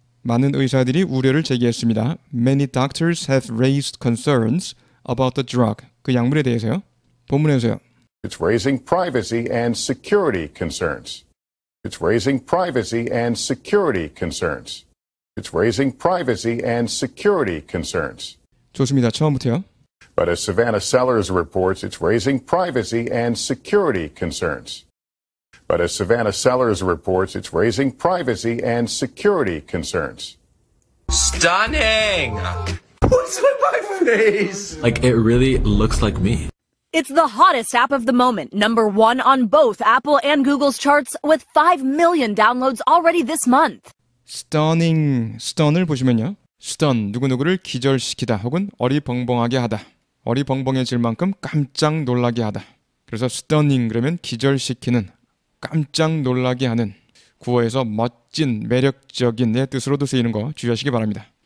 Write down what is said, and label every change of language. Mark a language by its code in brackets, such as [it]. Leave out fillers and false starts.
[ko] 많은 의사들이 우려를 제기했습니다. [en] Many doctors have raised concerns about the drug. [ko] 그 약물에 대해서요. 본문에서요. [en] It's raising privacy and security concerns. It's raising privacy and security concerns. It's raising privacy and security concerns. [ko] 좋습니다. 처음부터요. [en] But as Savannah Sellers reports, it's raising privacy and security concerns. But as Savannah Sellers reports, it's raising privacy and security concerns. Stunning! What's with my face? Like, it really looks like me. It's the hottest app of the moment, number one on both Apple and Google's charts, with 5 million downloads already this month. [ko] Stunning. Stun을 보시면요. Stun, 누구누구를 기절시키다 혹은 어리벙벙하게 하다. 어리벙벙해질 만큼 깜짝 놀라게 하다. 그래서 stunning 그러면 기절시키는, 깜짝 놀라게 하는. 구어에서 멋진, 매력적인 내 뜻으로도 쓰이는 거 주의하시기 바랍니다.